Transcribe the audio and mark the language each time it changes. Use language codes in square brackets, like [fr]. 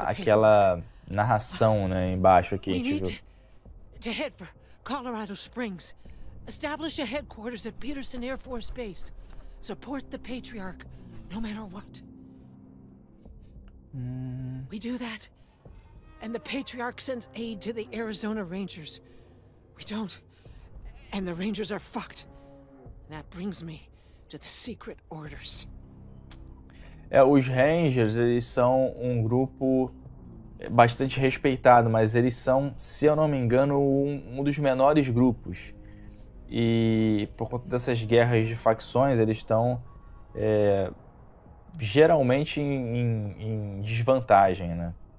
[pt] aquela narração, né, embaixo aqui, tipo... [en] head for Colorado Springs. Establish a headquarters at Peterson Air Force Base. Support the Patriarch, no matter what. We do that, and the Patriarch sends aid to the Arizona Rangers. We don't, and the Rangers are fucked. And that brings me to the secret orders. [pt] É, os Rangers, eles são um grupo bastante respeitado, mas eles são, se eu não me engano, um dos menores grupos. E por conta dessas guerras de facções, eles estão geralmente em desvantagem, né?